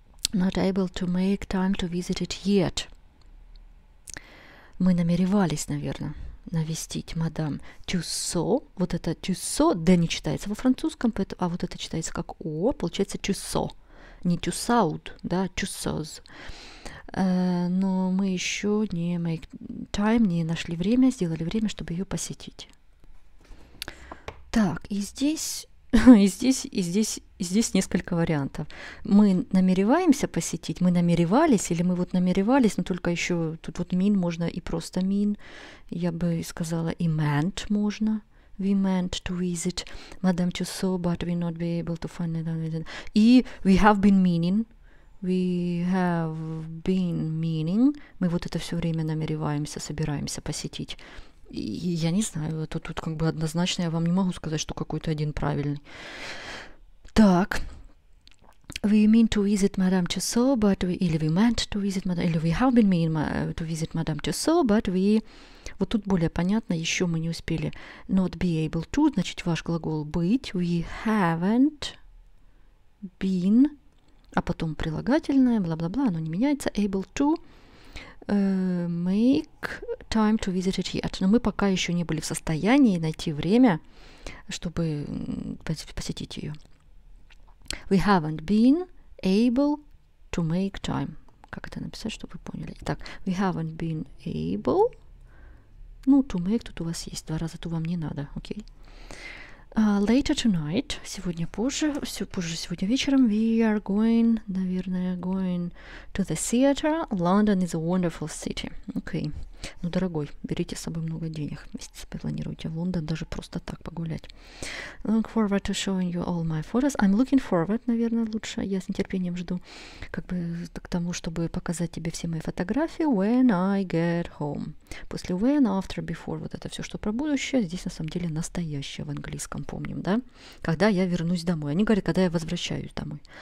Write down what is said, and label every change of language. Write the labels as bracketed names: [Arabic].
[English] Not able to make time to visit it yet. [Russian] Мы намеревались, наверное, навестить мадам Тюссо. Вот это Тюссо, да, не читается во французском, а вот это читается как О, получается Тюссо. Не Тюссауд, да, Тюссоз. Но мы еще не [English] make time, [Russian] не нашли время, сделали время, чтобы ее посетить. Так, и здесь... И здесь несколько вариантов. Мы намереваемся посетить, мы намеревались, или мы вот намеревались, но только еще тут вот mean можно и просто mean. Я бы сказала и meant можно. [English] we meant to visit Madame Tussaud, but we not be able to find it. И we have been meaning. We have been meaning. [Russian] Мы вот это все время намереваемся, собираемся посетить. И я не знаю, это тут как бы однозначно, я вам не могу сказать, что какой-то один правильный. Так. [English] We mean to visit Madame Tussaud, but we... Или we meant to visit Madame... Или we have been meaning to visit Madame Tussaud, but we... [Russian] Вот тут более понятно, еще мы не успели. [English] Not be able to, [Russian] значит, ваш глагол быть. [English] We haven't been... [Russian] А потом прилагательное, бла-бла-бла, оно не меняется. [English] Able to make time to visit it yet. [Russian] Но мы пока еще не были в состоянии найти время, чтобы посетить ее. [English] We haven't been able to make time. [Russian] Как это написать, чтобы вы поняли? [English] Итак, we haven't been able... [Russian] Ну, to make тут у вас есть. Два раза тут вам не надо, окей? [English] Later tonight, [Russian] сегодня позже, все позже сегодня вечером, [English] we are going, [Russian] наверное, [English] going to the theater. London is a wonderful city. Окей. [Russian] Ну, дорогой, берите с собой много денег, если планируете в Лондон даже просто так погулять. [English] Look forward to showing you all my photos. I'm looking forward, [Russian] наверное, лучше. Я с нетерпением жду, как бы, к тому, чтобы показать тебе все мои фотографии [English] when I get home. [Russian] После when, after, before, вот это все, что про будущее, здесь на самом деле настоящее в английском, помним, да? Когда я вернусь домой. Они говорят, когда я возвращаюсь домой.